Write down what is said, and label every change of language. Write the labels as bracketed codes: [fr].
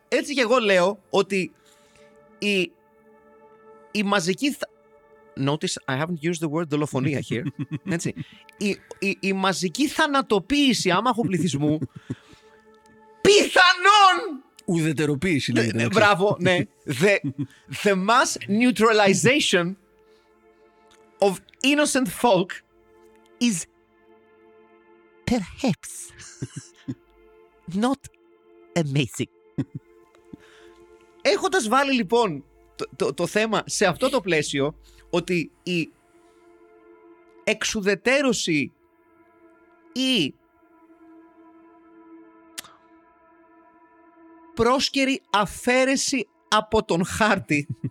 [el] Έτσι και εγώ λέω ότι η μαζική... [en] Notice, I haven't used the word [el] δολοφονία [en] here. [el] Έτσι. Η μαζική θανατοποίηση άμαχου πληθυσμού πιθανόν... Ουδετεροποίηση λέει. Ναι, μπράβο, ναι. [en] The mass neutralization of innocent folk is perhaps not amazing. [el] Έχοντας βάλει λοιπόν το θέμα σε αυτό το πλαίσιο, ότι η εξουδετέρωση ή πρόσκαιρη αφαίρεση από τον χάρτη.